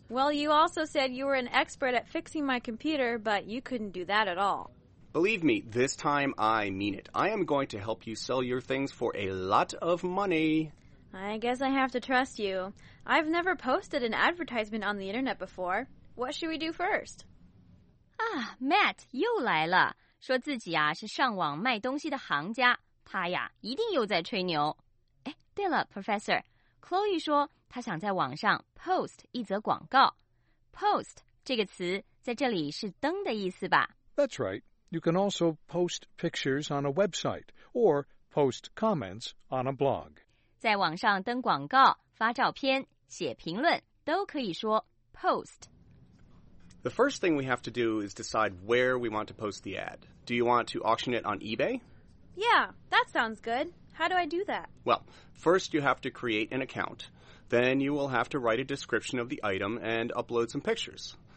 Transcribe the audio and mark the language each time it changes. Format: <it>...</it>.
<en>Well, you also said you were an expert at fixing my computer, but you couldn't do that at all. Believe me, this time I mean it. I am going to help you sell your things for a lot of money. I guess I have to trust you. I've never posted an advertisement on the internet before. What should we do first?</en> <zh>Ah, Matt, 又来了，说自己啊是上网卖东西的行家，他呀一定又在吹牛。哎，对了 ,Professor, Chloe 说他想在网上 post 一则广告。 Post 这个词在这里是登的意思吧？</zh> <en>That's right.You can also post pictures on a website or post comments on a blog.</en> <zh>在网上登广告、发照片、写评论都可以说 post.</zh> <en>The first thing we have to do is decide where we want to post the ad. Do you want to auction it on eBay? Yeah, that sounds good. How do I do that? Well, first you have to create an account. Then you will have to write a description of the item and upload some pictures.</en>